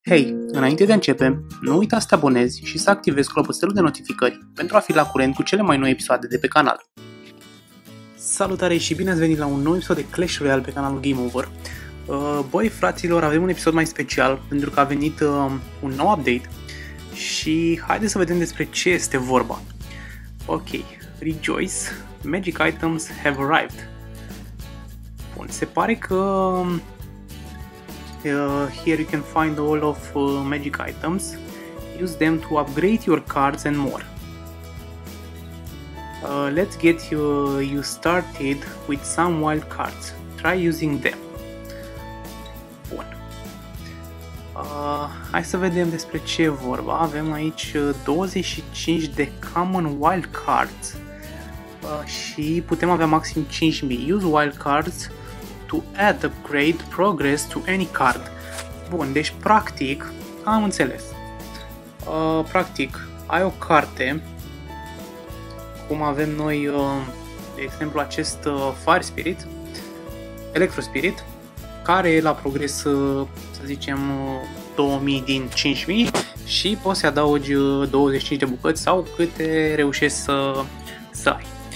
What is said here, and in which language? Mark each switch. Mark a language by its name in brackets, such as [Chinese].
[Romanian] Hei, înainte de a începe, nu uita să te abonezi și să activezi clopoțelul de notificări pentru a fi la curent cu cele mai noi episoade de pe canal. Salutare și bine ați venit la un nou episod de Clash Royale pe canalul Game Over. Băi, fraților, avem un episod mai special pentru că a venit un nou update și haideți să vedem despre ce este vorba. [English] Ok, rejoice, magic items have arrived. [Romanian] Bun, se pare că... [English] here you can find all of magic items. Use them to upgrade your cards and more. Let's get you started with some wild cards. Try using them. [Romanian] Bun. Hai să vedem despre ce e vorba. Avem aici 25 de common wild cards. Și putem avea maxim 5.000. [English] Use wild cards to add upgrade progress to any card. [Romanian] Bun, deci practic, am înțeles. Practic, ai o carte, cum avem noi, de exemplu, acest Fire Spirit, Electro Spirit, care e la progres, să zicem, 2000 din 5000 și poți să-i adaugi 25 de bucăți sau câte reușești să ai.